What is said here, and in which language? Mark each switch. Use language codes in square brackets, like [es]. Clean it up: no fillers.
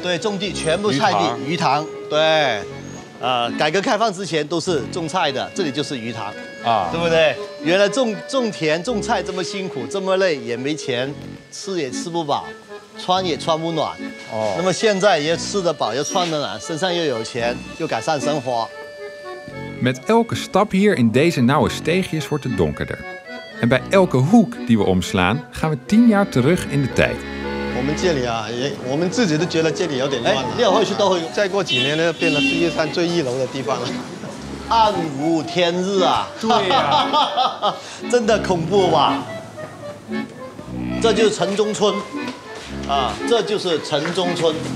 [zh] 对，种地全部菜地，鱼塘，对，改革开放之前都是种菜的，这里就是鱼塘啊，对不对？原来种田种菜这么辛苦，这么累，也没钱，吃也吃不饱，穿也穿不暖。哦，那么现在又吃得饱，又穿得暖，身上又有钱，又改善生活。 [nl] Met elke stap hier in deze nauwe steegjes wordt het donkerder. En bij elke hoek die we omslaan, gaan we 10 jaar terug in de tijd. [zh] 我们这里啊，我们自己都觉得这里有点乱了。哎，后续都会再过几年呢，变成世界上最一流的地方了。暗无天日啊，对呀，真的恐怖吧？这就是城中村，啊，这就是城中村。